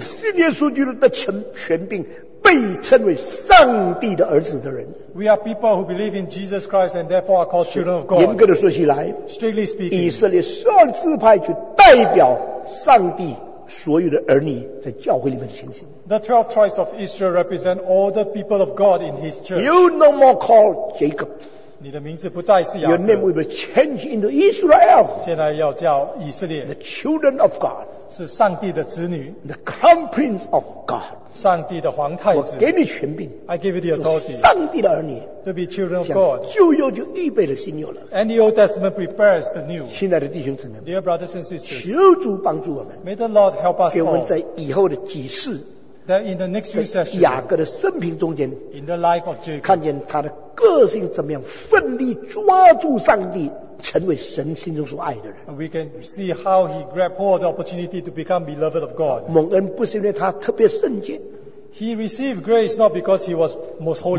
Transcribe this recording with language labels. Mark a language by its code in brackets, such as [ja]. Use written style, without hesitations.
[zh] 信耶稣基督的全柄, 被称为上帝的儿子的人, [en] we are people who believe in Jesus Christ and therefore are called children of God. [zh] 严格地说起来, [en] strictly speaking, [zh] 以色列十二支派就代表上帝所有的儿女在教会里面的情形, [en] the 12 tribes of Israel represent all the people of God in his church. You no more call Jacob, Your name will be changed into Israel. The children of God. [zh] 是上帝的子女, [en] the crown prince of God. [zh] 上帝的皇太子, 我给你权柄, [en] I give you the authority. [zh] 就上帝的儿女, [en] to be children of God. [zh] 旧约就预备了新约了, [en] and the Old Testament prepares the new. [zh] 亲爱的弟兄姊妹, [en] dear brothers and sisters. [zh] 求主帮助我们, [en] may the Lord help us all. [zh] 给我们在以后的几世, [en] that in the next few sessions, [zh] 在雅各的生平中间, [en] in the life of Jacob, [zh] 看见他的个性怎么样奋力抓住上帝, 成为神心中所爱的人, [en] we can see how he grabbed hold of the opportunity to become beloved of God. [zh] 蒙恩不是因为他特别圣洁, [en] he received grace not because he was most holy,